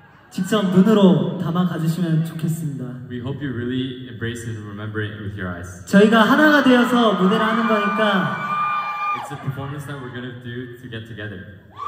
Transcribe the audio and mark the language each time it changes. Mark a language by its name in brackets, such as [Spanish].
[Korean] 직접 눈으로 담아 가주시면 좋겠습니다. [English] We hope you really embrace and remember it with your eyes. [Korean] 저희가 하나가 되어서 무대를 하는 거니까. [English] It's a performance that we're gonna do to get together.